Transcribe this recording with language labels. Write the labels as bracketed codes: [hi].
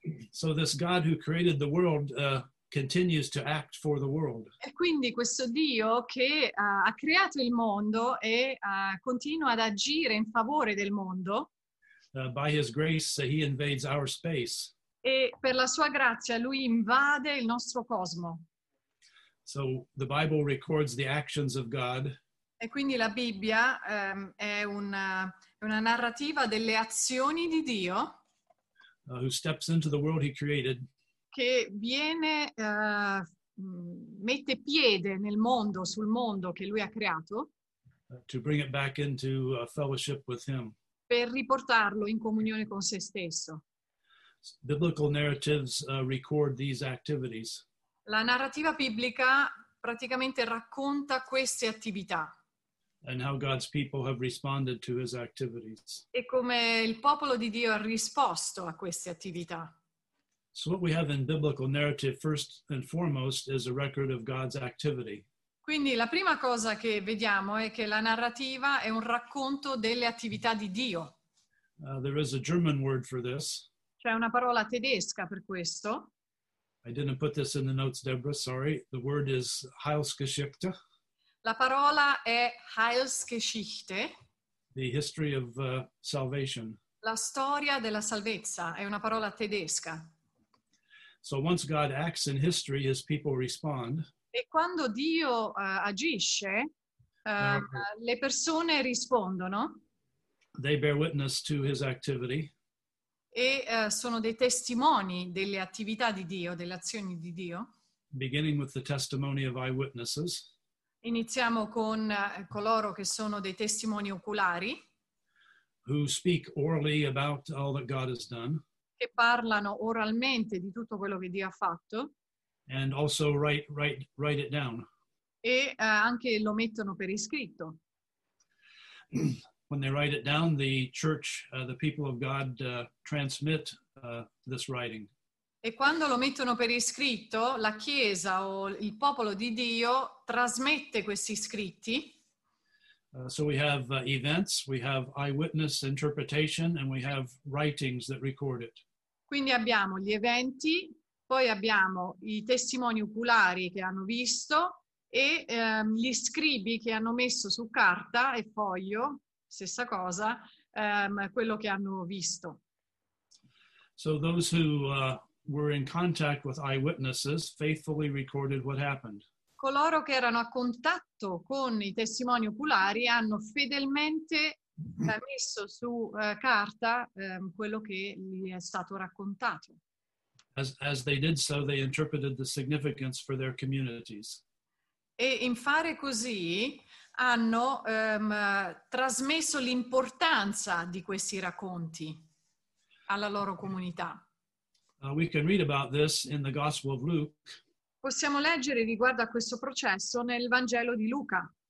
[en] So this God who created the world continues to act for the world. [it] E quindi questo Dio che ha creato il mondo e continua ad agire in favore del mondo. [en] By his grace he invades our space. [it] E per la sua grazia lui invade il nostro cosmo. [en] So the Bible records the actions of God. [it] E quindi la Bibbia è una narrativa delle azioni di Dio. [en] Who steps into the world he created. [it] Che viene, mette piede nel mondo, sul mondo che lui ha creato, [en] to bring it back into fellowship with him. [it] Per riportarlo in comunione con se stesso. [en] Biblical narratives record these activities. [it] La narrativa biblica praticamente racconta queste attività. [en] And how God's people have responded to his activities. [it] E come il popolo di Dio ha risposto a queste attività. [en] So what we have in biblical narrative first and foremost is a record of God's activity. [it] Quindi la prima cosa che vediamo è che la narrativa è un racconto delle attività di Dio. [en] There is a German word for this. [it] C'è una parola tedesca per questo. [en] I didn't put this in the notes, Deborah, sorry. The word is Heilsgeschichte. [it] La parola è Heilsgeschichte. [en] The history of salvation. [it] La storia della salvezza è una parola tedesca. [en] So once God acts in history, his people respond. [it] E quando Dio agisce, le persone rispondono. [en] They bear witness to his activity. [it] E sono dei testimoni delle attività di Dio, delle azioni di Dio. [en] Beginning with the testimony of eyewitnesses. [it] Iniziamo con coloro che sono dei testimoni oculari. [en] Who speak orally about all that God has done. [it] Che parlano oralmente di tutto quello che Dio ha fatto. [en] And also write it down. [it] E anche lo mettono per iscritto. [en] When they write it down, the church, the people of God, transmit this writing. [it] E quando lo mettono per iscritto, la Chiesa o il popolo di Dio trasmette questi scritti. [en] So we have events, we have eyewitness interpretation, and we have writings that record it. [it] Quindi abbiamo gli eventi, poi abbiamo i testimoni oculari che hanno visto e gli scribi che hanno messo su carta e foglio, stessa cosa, quello che hanno visto. [en] So those who were in contact with eyewitnesses faithfully recorded what happened. [it] Coloro che erano a contatto con i testimoni oculari hanno fedelmente messo su carta quello che gli è stato raccontato. [en] As they did so, they interpreted the significance for their communities. [it] E in fare così hanno trasmesso l'importanza di questi racconti alla loro comunità. [en] We can read about this in the Gospel of Luke. [it] Possiamo leggere riguardo a questo processo nel Vangelo di Luca.